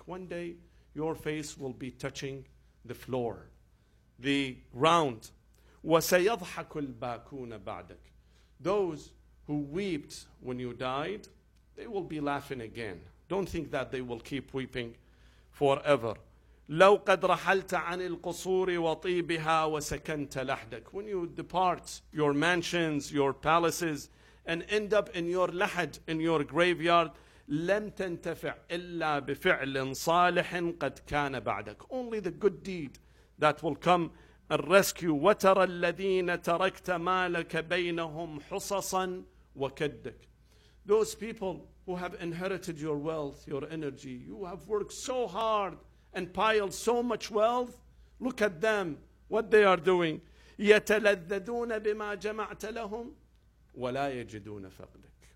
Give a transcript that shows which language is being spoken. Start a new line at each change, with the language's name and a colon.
English: One day, your face will be touching the floor, the ground.
Arabic: وَسَيَضْحَكُ الْبَاكُونَ بَعْدَكَ.
English: Those who wept when you died, they will be laughing again. Don't think that they will keep weeping forever.
Arabic: لو قد رحلت عن القصور وطيبها وسكنت لحدك.
English: When you depart your mansions, your palaces, and end up in your lahad, in your graveyard,
Arabic: لم تنتفع إلا بفعل صالح قد كان بعدك.
English: Only the good deed that will come and rescue.
Arabic: وترى الذين تركت مالك بينهم حصصا وكدك.
English: Those people who have inherited your wealth, your energy, you have worked so hard and piled so much wealth, look at them, what they are doing.
Arabic: يَتَلَذَّذُونَ بِمَا جَمَعْتَ لَهُمْ وَلَا يَجِدُونَ فَقْدَكَ.